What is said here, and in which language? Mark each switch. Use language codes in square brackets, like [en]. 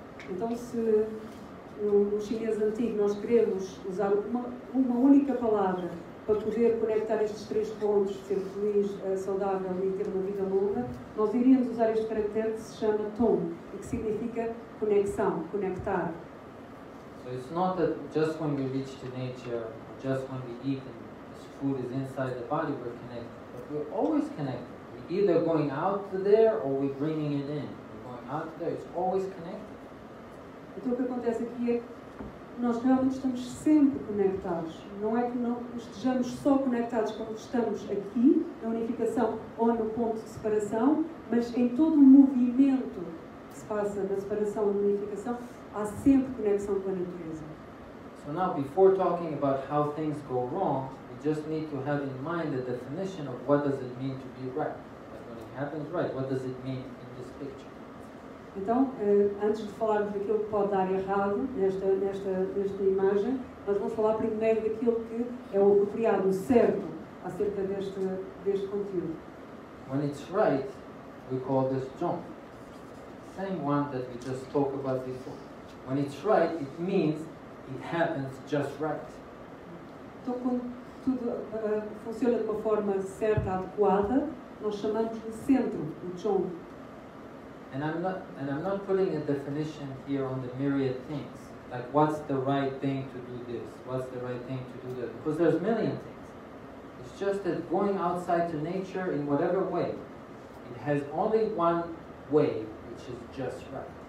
[pt] Então, se no chinês antigo nós queremos usar uma única palavra para poder conectar estes três pontos, ser feliz, saudável e ter uma vida longa, nós iríamos usar este caractere que se chama tong, e que significa conexão, conectar. [en] So it's not that just when we reach to nature, just when we eat and this food is inside the body, we're connected. But we're always connected. We're either going out to there or we're bringing it in. We're going out to there, it's always connected. [pt] Então o que acontece aqui é que nós realmente estamos sempre conectados. Não é que não estejamos só conectados quando estamos aqui, na unificação ou no ponto de separação, mas em todo o movimento que se passa na separação e na unificação, há sempre conexão com a natureza. [en] So now, before talking about how things go wrong, we just need to have in mind the definition of what does it mean to be right. But when it happens right, what does it mean in this picture? [pt] Então, antes de falarmos daquilo que pode dar errado nesta imagem, nós vamos falar primeiro daquilo que é o apropriado, o certo, acerca deste conteúdo. [en] When it's right, we call this zhong. Same one that we just spoke about before. When it's right, it means it happens just right. [pt] Então, quando tudo funciona de uma forma certa, adequada, nós chamamos de centro, o zhong. [en] And I'm not putting a definition here on the myriad things, like what's the right thing to do this, what's the right thing to do that, because there's a million things. It's just that going outside to nature in whatever way, it has only one way, which is just right.